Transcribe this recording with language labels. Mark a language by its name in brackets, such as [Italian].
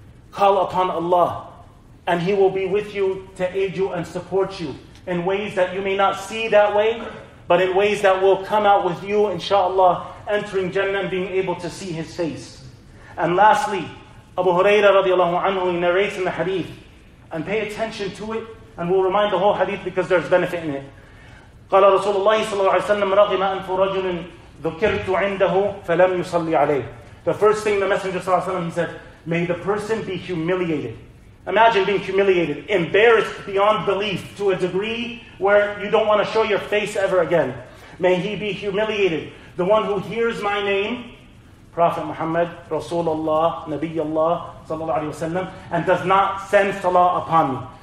[English] Call upon Allah and He will be with you to aid you and support you in ways that you may not see that way, but in ways that will come out with you, inshallah, entering Jannah and being able to see His face. And lastly, Abu Huraira radiallahu anhu, he narrates in the hadith, and pay attention to it, and we'll remind the whole hadith because there's benefit in it. [Arabic] قال رسول الله صلى الله عليه وسلم رغم أنف رجل ذكرت عنده فلم يصلي عليه. [English] The first thing the Messenger صلى الله عليه وسلم, he said, may the person be humiliated. Imagine being humiliated, embarrassed beyond belief to a degree where you don't want to show your face ever again. May he be humiliated. The one who hears my name, Prophet Muhammad, Rasulullah, Nabiyullah, sallallahu alayhi wa sallam, and does not send salah upon me.